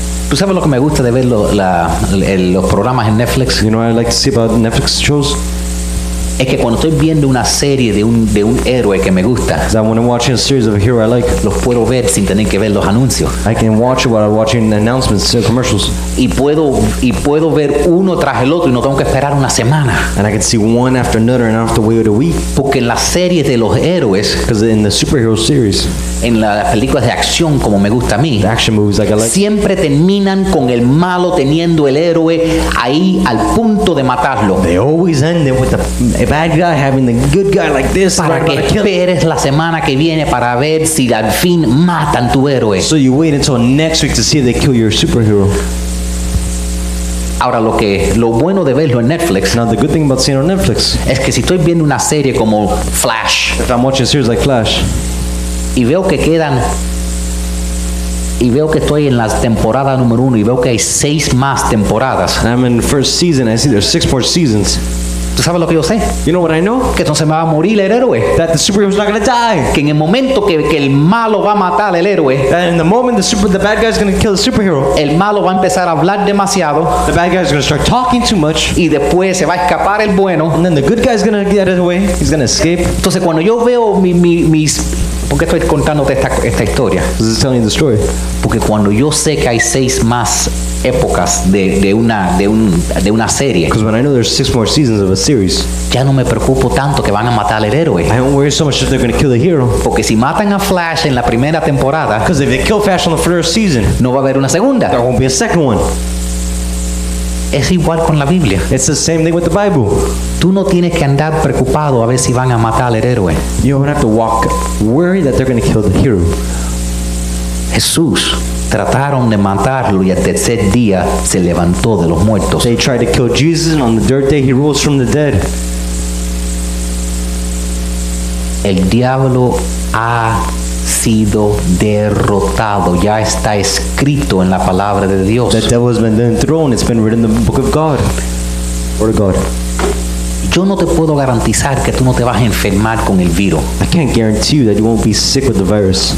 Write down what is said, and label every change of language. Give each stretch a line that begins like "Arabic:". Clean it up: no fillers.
Spanish: ¿Tú sabes lo que me gusta de ver los programas en Netflix?
English: You know what I like to see about Netflix shows?
Spanish: Es que cuando estoy viendo una serie de un héroe que me gusta,
English: that when I'm watching a series of a hero I like,
Spanish: los puedo ver sin tener que ver los anuncios.
English: I can watch it while I'm watching the announcements, the commercials.
Spanish: Y puedo ver uno tras el otro y no tengo que esperar una semana.
English: And I can see one after another and I don't have to wait a week.
Spanish: Porque en las series de los héroes,
English: because in the superhero series,
Spanish: en las películas de acción como me gusta a mí,
English: the action movies like I like,
Spanish: siempre terminan con el malo teniendo el héroe ahí al punto de matarlo.
English: They always end it with a bad guy having the good guy like this.
Spanish: Para que esperes la semana que viene para ver si al fin matan tu héroe.
English: So you wait until next week to see if they kill your superhero.
Spanish: Ahora lo bueno de verlo en Netflix.
English: Now the good thing about seeing it on Netflix.
Spanish: Es que si estoy viendo una serie como Flash.
English: If I'm watching a series like Flash.
Spanish: Y veo que estoy en la temporada número uno y veo que hay 6 más temporadas.
English: And I'm in the first season. I see there's 6 more seasons.
Spanish: ¿Tú sabes lo que yo sé?
English: You know what I know?
Spanish: Que entonces me va a morir el héroe.
English: That the superhero's not going to die.
Spanish: Que en el momento que el malo va a matar el héroe.
English: That in the moment the bad guy's going to kill the superhero.
Spanish: El malo va a empezar a hablar demasiado.
English: The bad guy's going to start talking too much.
Spanish: Y después se va a escapar el bueno.
English: And then the good guy's going to get away. He's going to escape.
Spanish: Entonces cuando yo veo mis ¿por qué estoy contándote esta historia?
English: Because it's telling the story.
Spanish: Porque cuando yo sé que hay 6 más épocas de una serie.
English: Because when I know there's 6 more seasons of a series.
Spanish: Ya no me preocupo tanto que van a matar al héroe.
English: I don't worry so much if they're going to kill the hero.
Spanish: Porque si matan a Flash en la primera temporada.
English: Because if they kill Flash on the first season.
Spanish: No va a haber una segunda.
English: There won't be a second one.
Spanish: Es igual con la Biblia.
English: It's the same thing with the Bible.
Spanish: Tú no tienes que andar preocupado a ver si van a matar al héroe.
English: You don't have to walk worried that they're going to kill the hero.
Spanish: Jesús trataron de matarlo y al tercer día se levantó de los muertos.
English: They tried to kill Jesus and on the third day he rose from the dead.
Spanish: El diablo ha sido derrotado. Ya está escrito en la palabra de Dios.
English: The devil has been dethroned. It's been written in the book of God. Word of God.
Spanish: Yo no te puedo garantizar que tú no te vas a enfermar con el virus.
English: I can't guarantee you that you won't be sick with the virus.